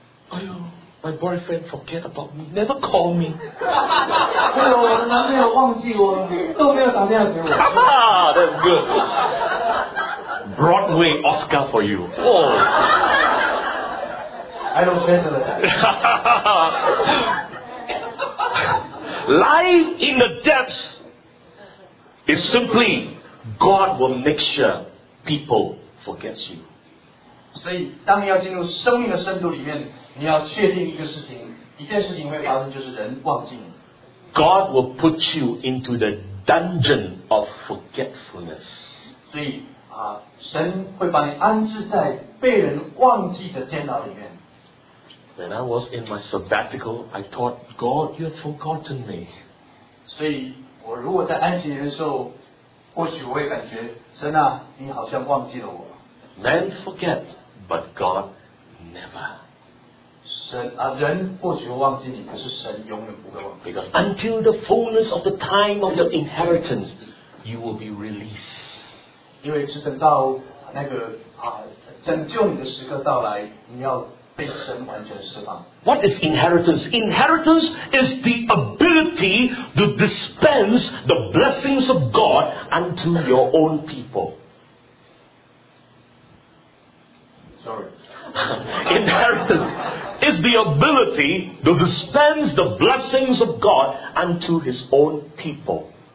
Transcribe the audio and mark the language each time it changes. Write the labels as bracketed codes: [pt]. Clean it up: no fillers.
[en] 哎呦， my boyfriend forget about me, never call me. [zh] 对，我的男朋友忘记我，都没有打电话给我。 [en] Ah, that's good. Broadway Oscar for you. Oh. I don't care for that. Life in the depths is simply God will make sure people forget you. [zh] 所以当你要进入生命的深度里面，你要确定一个事情，一件事情会发生，就是人忘记你。 [en] God will put you into the dungeon of forgetfulness. [zh] 所以神会把你安置在被人忘记的监牢里面。 [en] When I was in my sabbatical, I thought, God, you have forgotten me. [zh] 所以我如果在安息年的时候，或许我会感觉神啊，你好像忘记了我。 [en] Men forget, but God never. [zh] 神啊，人或许会忘记你，可是神永远不会忘记。 [en] Because until the fullness of the time of your inheritance, you will be released. [zh] 因为直到那个啊，拯救你的时刻到来，你要被神完全释放。 [en] What is inheritance? Inheritance is the ability to dispense the blessings of God unto your own people. Sorry. Inheritance is the ability to dispense the blessings of God unto His own people.